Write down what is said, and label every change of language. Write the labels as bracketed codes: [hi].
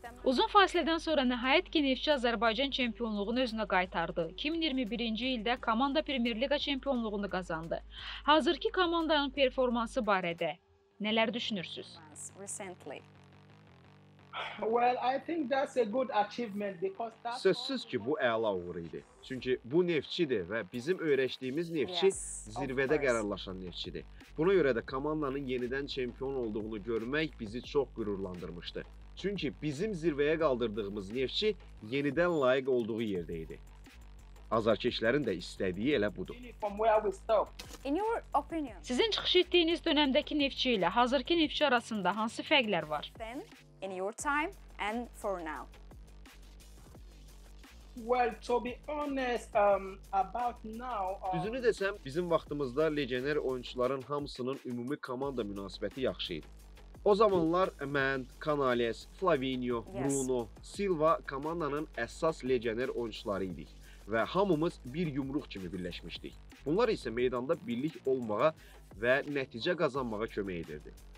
[az] Uzun fasilədən sonra nəhayət ki, Neftçi Azərbaycan çempionluğunu özünə qaytardı. 2021-ci ildə komanda Premier Liqa çempionluğunu qazandı. Hazırki komandanın performansı barədə nələr düşünürsünüz? [en] Well, I think that's a good achievement because that's [az] sözsüz ki bu əla uğur idi. Çünki bu neftçidir və bizim öyrəşdiyimiz neftçi yes, zirvədə qərarlaşan neftçidir. Buna görə də komandanın yenidən çempion olduğunu görmək bizi çox qürurlandırmışdı. Çünki bizim zirvəyə qaldırdığımız neftçi yenidən layiq olduğu yerdə idi. Azarkeşlərin də istədiyi elə budur. [en] In your opinion, [az] sizin çıxış etdiyiniz dönəmdəki neftçi ilə hazırki neftçi arasında hansı fərqlər var? [en] Then, in your time and for now. Well, to be honest, about now, [az] düzünü desəm, bizim vaxtımızda legioner oyunçuların hamısının ümumi komanda münasibəti yaxşı idi. O zamanlar mən, Canales, Flavinho, yes. Bruno, Silva komandanın əsas legioner oyunçuları idik. Və hamımız bir yumruq kimi birləşmişdik. Bunlar isə meydanda birlik olmağa və nəticə qazanmağa kömək edirdi.